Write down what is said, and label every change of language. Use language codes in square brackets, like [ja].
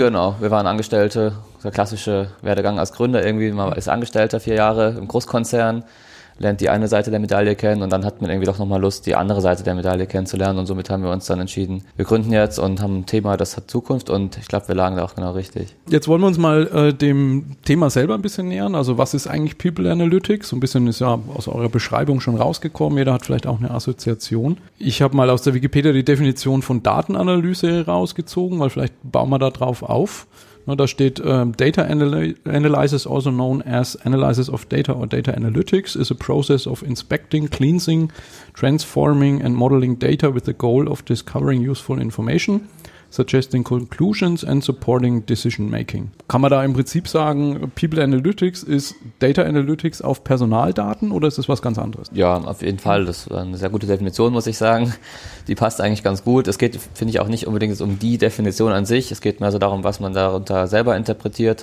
[de] Genau, wir waren Angestellte, der klassische Werdegang als Gründer irgendwie, man ist Angestellter 4 Jahre im Großkonzern, lernt die eine Seite der Medaille kennen und dann hat man irgendwie doch nochmal Lust, die andere Seite der Medaille kennenzulernen und somit haben wir uns dann entschieden, wir gründen jetzt und haben ein Thema, das hat Zukunft und ich glaube, wir lagen da auch genau richtig. Jetzt wollen wir uns mal dem Thema selber ein bisschen nähern, also was ist eigentlich People Analytics? So ein bisschen ist ja aus eurer Beschreibung schon rausgekommen, jeder hat vielleicht auch eine Assoziation. Ich habe mal aus der Wikipedia die Definition von Datenanalyse rausgezogen, weil vielleicht bauen wir da drauf auf. Da steht, [en] Data Analysis, also known as Analysis of Data or Data Analytics, is a process of inspecting, cleansing, transforming and modeling data with the goal of discovering useful information, suggesting conclusions and supporting decision making. [de] Kann man da im Prinzip sagen, People Analytics ist Data Analytics auf Personaldaten oder ist das was ganz anderes? Ja, auf jeden Fall. Das ist eine sehr gute Definition, muss ich sagen. Die passt eigentlich ganz gut. Es geht, finde ich, auch nicht unbedingt um die Definition an sich. Es geht mehr so darum, was man darunter selber interpretiert.